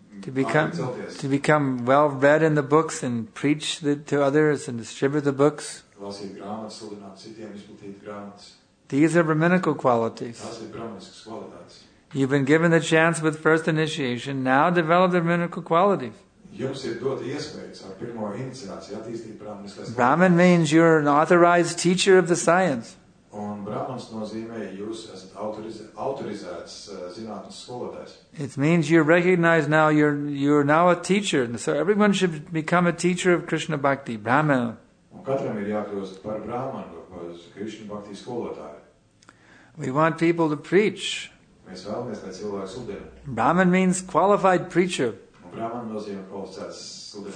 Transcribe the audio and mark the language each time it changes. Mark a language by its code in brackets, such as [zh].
[en] To become well read in the books and preach to others and distribute the books. [lv] Lasīt grāmatas, sludināt citiem, izplatīt grāmatas. [en] These are brahminical qualities. [lv] Tās ir brahmaniskas kvalitātes. [en] You've been given the chance with first initiation, now develop the brahminical qualities. [lv] Jums ir dot iespējas ar pirmo iniciāciju attīstīt brahmaniskās kvalitātes. [en] Brahman means you're an authorized teacher of the science. [lv] Un brahmans nozīmē, jūs esat autorizēts zinātnes skolotājs. [en] It means you're recognized now, you're now a teacher. And so everyone should become a teacher of Krishna Bhakti, brahman. [lv] Un katram ir jākļūst par brahmanu, uz Krishna Bhakti skolotāju. [en] We want people to preach. [lv] Mēs vēlamies, lai cilvēki sludina. [en] Brahman means qualified preacher. [lv] Un brahman nozīmē kvalificēts sludinātājs.